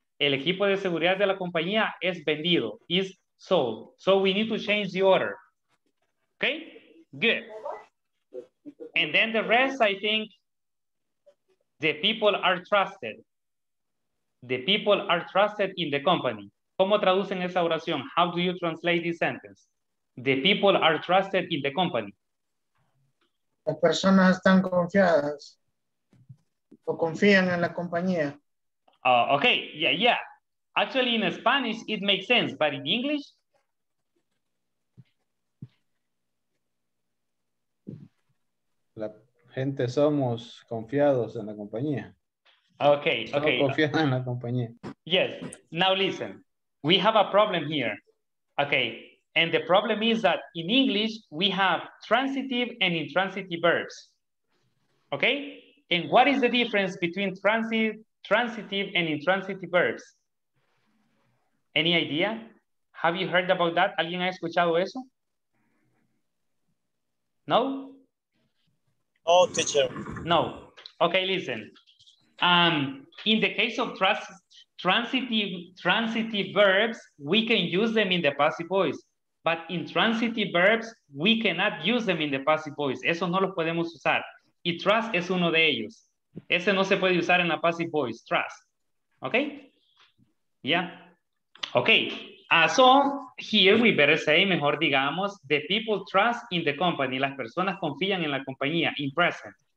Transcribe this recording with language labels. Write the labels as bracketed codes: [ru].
[es] El equipo de seguridad de la compañía es vendido, [en] is sold. So we need to change the order, okay? Good. And then the rest, I think the people are trusted. The people are trusted in the company. [es] ¿Cómo traducen esa oración? [en] How do you translate this sentence? The people are trusted in the company. [es] Las personas están confiadas o confían en la compañía. [en] Okay, yeah. Actually, in Spanish, it makes sense, but in English, [es] la gente somos confiados en la compañía. [en] Okay, okay. [es] Confiados en la compañía. [en] Yes, now listen. We have a problem here. Okay, and the problem is that in English, we have transitive and intransitive verbs. Okay? And what is the difference between transitive and intransitive verbs? Any idea? Have you heard about that? [es] ¿Alguien ha escuchado eso? [en] No? Oh, teacher. No. Okay, listen. In the case of transitive verbs, we can use them in the passive voice. But in transitive verbs, we cannot use them in the passive voice. [es] Eso no lo podemos usar. Y trust es uno de ellos. Ese no se puede usar en la passive voice, trust. [en] Okay? Yeah. Okay. So here we better say, [es] mejor digamos, [en] the people trust in the company. [es] Las personas confían en la compañía, [en] in present.